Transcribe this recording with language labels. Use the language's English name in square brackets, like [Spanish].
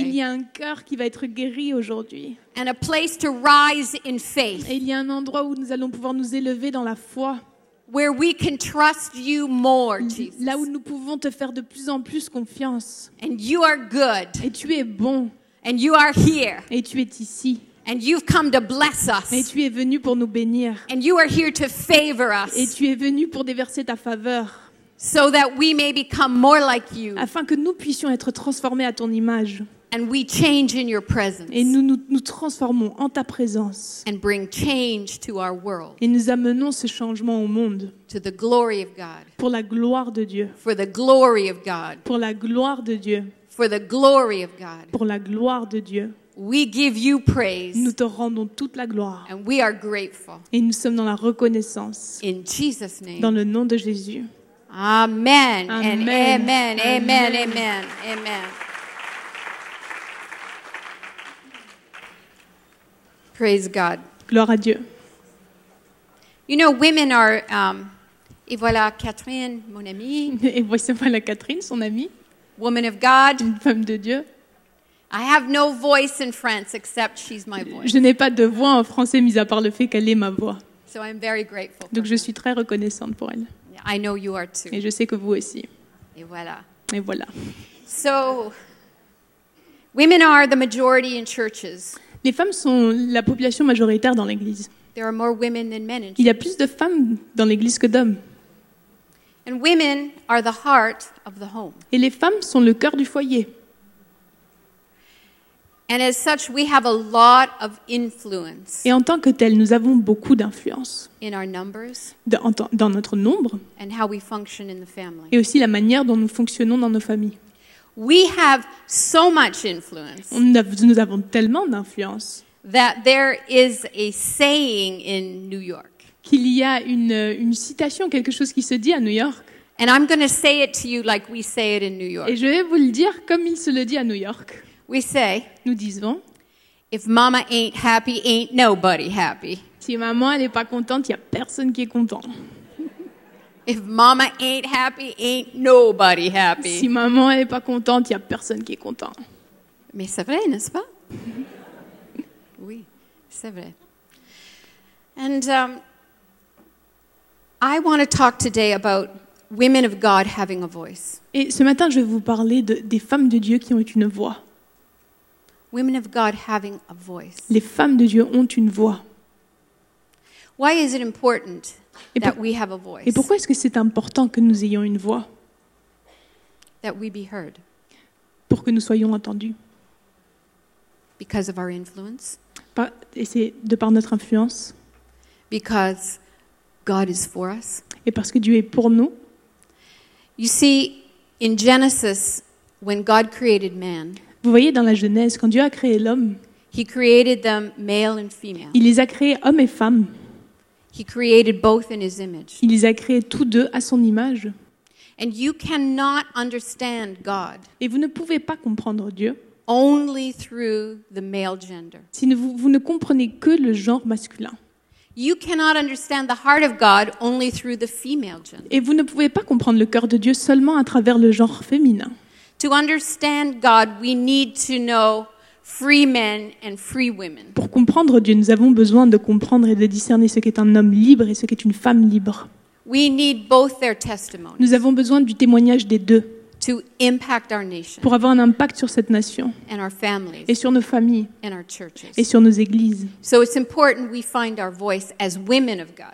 [French] Il y a un cœur qui va être guéri aujourd'hui. [English] And a place to rise in faith. [French] Et il y a un endroit où nous allons pouvoir nous élever dans la foi. [English] Where we can trust you more, Jesus. [French] Là où nous pouvons te faire de plus en plus confiance. [English] And you are good. [French] Et tu es bon. [English] And you are here. [French] Et tu es ici. [English] And you've come to bless us. [French] Et tu es venu pour nous bénir. [English] And you are here to favor us. [French] Et tu es venu pour déverser ta faveur. [English] So that we may become more like you. [French] Afin que nous puissions être transformés à ton image. [English] And we change in your presence. [French] Et nous transformons en ta présence. [English] And bring change to our world. [French] Et nous amenons ce changement au monde. [English] To the glory of God. [French] Pour la gloire de Dieu. [English] For the glory of God. [French] Pour la gloire de Dieu. [English] For the glory of God. [French] Pour la gloire de Dieu. [English] We give you praise. [French] Nous te rendons toute la gloire. [English] And we are grateful. [French] Et nous sommes dans la reconnaissance. [English] In Jesus' name. [French] Dans le nom de Jésus. [English] Amen. And amen. Amen. Amen. Amen. Amen. Praise God. [French] Gloire à Dieu. [English] You know, women are. [French] Et voilà Catherine, mon amie. Et voilà Catherine, son amie. [English] Woman of God. [French] Une femme de Dieu. [English] I have no voice in France except she's my voice. [French] Je n'ai pas de voix en français, mis à part le fait qu'elle est ma voix. [English] So I'm very grateful. [French] Donc je suis très reconnaissante pour elle. [English] I know you are too. [French] Et je sais que vous aussi. Et voilà. Et voilà. [English] So, women are the majority in churches. [French] Les femmes sont la population majoritaire dans l'Église. [English] There are more women than men in church. [French] Il y a plus de femmes dans l'Église que d'hommes. [English] And women are the heart of the home. [French] Et les femmes sont le cœur du foyer. [English] And as such, we have a lot of influence. [French] Et en tant que telles, nous avons beaucoup d'influence. [English] In our numbers. [French] Dans notre nombre. [English] And how we function in the family. [French] Et aussi la manière dont nous fonctionnons dans nos familles. [English] We have so much influence. [French] Nous avons tellement d'influence. [English] That there is a saying in New York. [French] Qu'il y a une citation, quelque chose qui se dit à New York. [English] And I'm going to say it to you like we say it in New York. [French] Et je vais vous le dire comme il se le dit à New York. [English] We say, [French] nous disons, [English] if mama ain't happy, ain't nobody happy. [French] Si maman elle est pas contente, il y a personne qui est content. [English] If mama ain't happy, ain't nobody happy. [French] Si maman elle est pas contente, il y a personne qui est content. Mais c'est vrai, n'est-ce pas? Oui, c'est vrai. [English] And I want to talk today about women of God having a voice. [French] Et ce matin, je vais vous parler des femmes de Dieu qui ont une voix. [English] Women of God having a voice. [French] Les femmes de Dieu ont une voix. [English] Why is it important that we have a voice? [French] Et pourquoi est-ce que c'est important que nous ayons une voix? [English] That we be heard. [French] Pour que nous soyons entendus. [English] Because of our influence. [French] Et c'est de par notre influence. [English] Because God is for us. [French] Et parce que Dieu est pour nous. [English] You see, in Genesis, when God created man. [French] Vous voyez, dans la Genèse, quand Dieu a créé l'homme, [English] he created them male and female. [French] Il les a créés hommes et femmes. [English] He created both in his image. [French] Il les a créés tous deux à son image. [English] And you cannot understand God. [French] Et vous ne pouvez pas comprendre Dieu. [English] Only through the male gender. [French] Si vous ne comprenez que le genre masculin. [English] You cannot understand the heart of God only through the female gender. [French] Et vous ne pouvez pas comprendre le cœur de Dieu seulement à travers le genre féminin. [English] To understand God, we need to know free men and free women. [French] Pour comprendre Dieu, nous avons besoin de comprendre et de discerner ce qu'est un homme libre et ce qu'est une femme libre. [English] We need both their testimonies. [French] Nous avons besoin du témoignage des deux. [English] To impact our nation. [French] Pour avoir un impact sur cette nation. [English] And our families. [French] Et sur nos familles. [English] And our churches. [French] Et sur nos églises. [English] So it's important we find our voice as women of God.